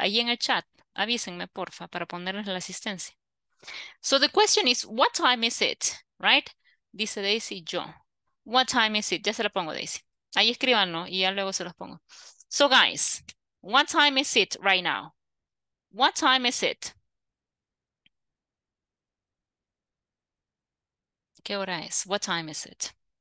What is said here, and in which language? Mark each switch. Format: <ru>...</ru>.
<es>Ahí en el chat, avísenme, porfa, para ponerles la asistencia.</es> <en>So the question is, what time is it? Right?</en> <es>Dice Daisy, yo.</es> <en>What time is it?</en> <es>Ya se la pongo, Daisy. Ahí escríbanlo y ya luego se los pongo.</es> <en>So guys, what time is it right now? What time is it?</en> <es>¿Qué hora es?</es> <en>What time is it?</en>